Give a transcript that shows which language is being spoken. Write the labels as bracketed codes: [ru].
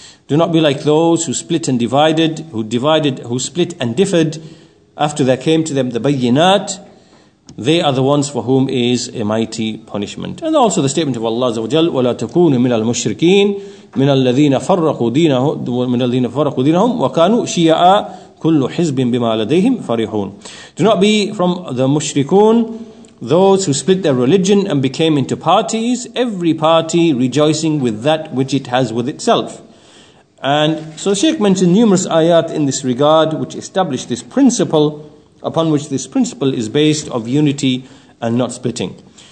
[en] Do not be like those who split and divided, who split and differed after there came to them the bayyinat. They are the ones for whom is a mighty punishment. And also the statement of Allah Azza wa Jal, [ar] وَلَا تَكُونُوا مِنَ الْمُشْرِكِينَ من الذين فرقوا دينهم من الذين فرقوا دينهم وكانوا شيعا كل حزب بما لديهم فرحون. [en] Do not be from the mushrikun, those who split their religion and became into parties, every party rejoicing with that which it has with itself. And so Sheikh mentioned numerous ayat in this regard which establish this principle, upon which this principle is based of unity and not splitting.